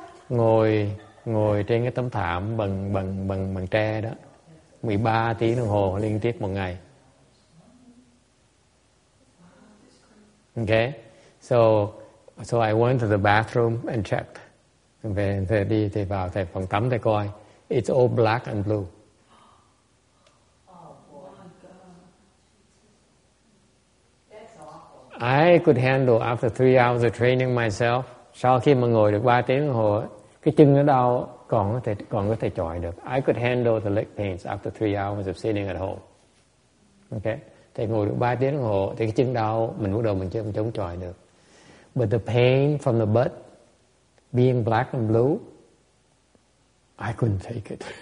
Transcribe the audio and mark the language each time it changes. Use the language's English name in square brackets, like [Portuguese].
[Vietnamese] Ngồi trên cái tấm thảm bằng tre đó. 13 tiếng đồng hồ liên tiếp một ngày. [English] Okay? So I went to the bathroom and checked. [Vietnamese] Về thầy đi thì vào thầy phòng tắm thầy coi. [English] It's all black and blue. I could handle after 3 hours of training myself. [Vietnamese] Sau khi mà ngồi được 3 tiếng đồng hồ, cái chân nó đau, còn có thể chọi được. [English] I could handle the leg pains after 3 hours of sitting at home. Okay? [Vietnamese] Thì ngồi được 3 tiếng đồng hồ, thì cái chân đau, mình bắt đầu mình chống chọi được. [English] But the pain from the butt, being black and blue, I couldn't take it.